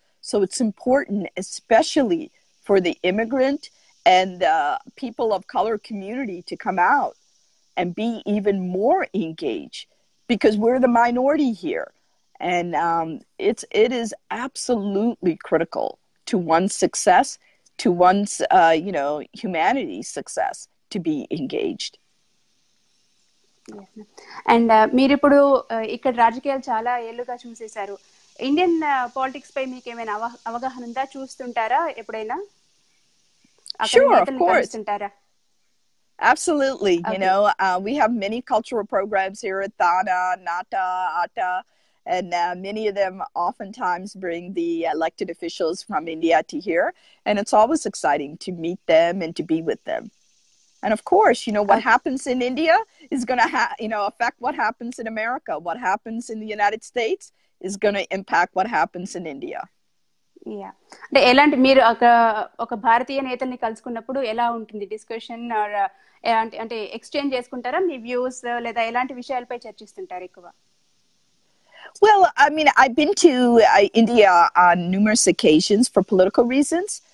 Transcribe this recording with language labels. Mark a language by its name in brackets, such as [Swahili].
[English] So it's important, especially for the immigrant and the people of color community, to come out and be even more engaged, because we're the minority here. And it is absolutely critical to one's success, to one's, you know, humanity's success, to be engaged. [Telugu] And మీరు ఇప్పుడు ఇక్కడ రాజకీయాలు చాలా ఏళ్ళుగా చూసేశారు, Indian politics పై మీకు ఏమైనా అవగాహన ఉందా? చూస్తుంటారా ఎప్పుడైనా? [English] Sure, of course. Absolutely. Okay. You know, we have many cultural programs here at Thana, Nata, Atta, and many of them oftentimes bring the elected officials from India to here. And it's always exciting to meet them and to be with them. And of course, you know, what happens in India is going to affect what happens in America. What happens in the United States is going to impact what happens in India. [Telugu] అంటే ఎలాంటి మీరు ఒక భారతీయ నేతల్ని కలుసుకున్నప్పుడు ఎలా ఉంటుంది discussion, అంటే exchange చేసుకుంటారా మీ views, లేదా ఎలాంటి విషయాలపై చర్చిస్తుంటారు ఎక్కువ? [English] Well, I mean, I've been to India on numerous occasions for political reasons.